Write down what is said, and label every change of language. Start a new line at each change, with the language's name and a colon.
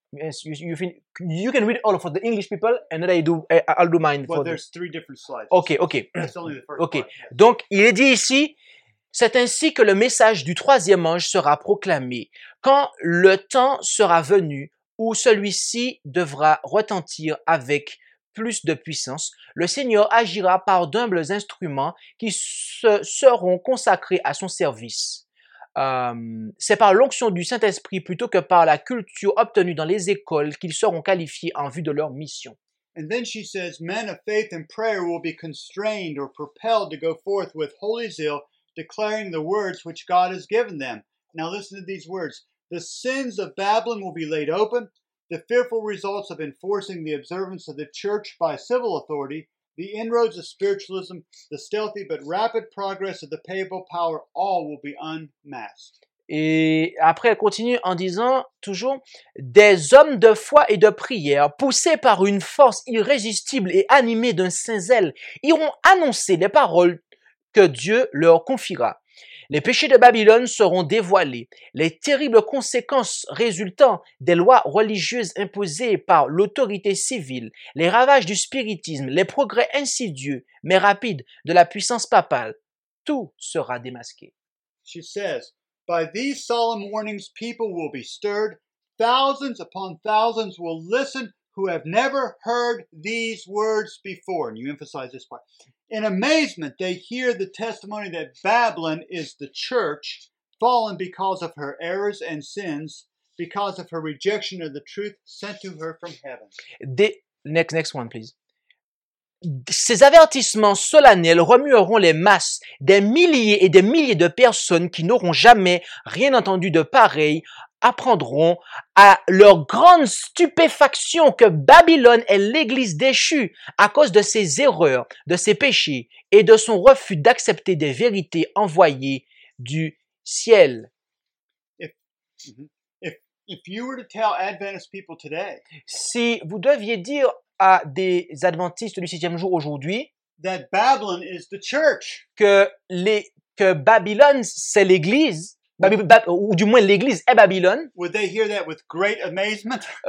English: Yes, you can read all for the English people, and then I'll do mine. Well, there's three different slides. Okay. That's only the first okay. part. Yes.
French: Donc, il est dit ici, c'est ainsi que le message du troisième ange sera proclamé. Quand le temps sera venu où celui-ci devra retentir avec plus de puissance, le Seigneur agira par d'humbles instruments qui seront consacrés à son service. C'est par l'onction du Saint-Esprit plutôt que par la culture obtenue dans les écoles qu'ils seront qualifiés en vue de leur mission.
English: And then she says, "Men of faith and prayer will be constrained or propelled to go forth with holy zeal, declaring the words which God has given them." Now listen to these words. "The sins of Babylon will be laid open. The fearful results of enforcing the observance of the church by civil authority, The inroads of spiritualism, the stealthy but rapid progress of the papal power, all will be unmasked.
French: Et après, elle continue en disant toujours, des hommes de foi et de prière, poussés par une force irrésistible et animés d'un saint zèle, iront annoncer les paroles que Dieu leur confiera. Les péchés de Babylone seront dévoilés. Les terribles conséquences résultant des lois religieuses imposées par l'autorité civile, les ravages du spiritisme, les progrès insidieux mais rapides de la puissance papale, tout sera démasqué.
English: She says, by these solemn warnings, people will be stirred. Thousands upon thousands will listen who have never heard these words before. And you emphasize this part. In amazement, they hear the testimony that Babylon is the church, fallen because of her errors and sins, because of her rejection of the truth sent to her from heaven. Next one, please.
French: Ces avertissements solennels remueront les masses, des milliers et des milliers de personnes qui n'auront jamais rien entendu de pareil apprendront à leur grande stupéfaction que Babylone est l'église déchue à cause de ses erreurs, de ses péchés et de son refus d'accepter des vérités envoyées du ciel.
English: If you were to tell Adventist people today,
French: si vous deviez dire à des adventistes du sixième jour aujourd'hui
English: that Babylon is the church.
French: Que Babylone c'est l'église, ou du moins l'église est Babylone,
English: would they hear that with great amazement?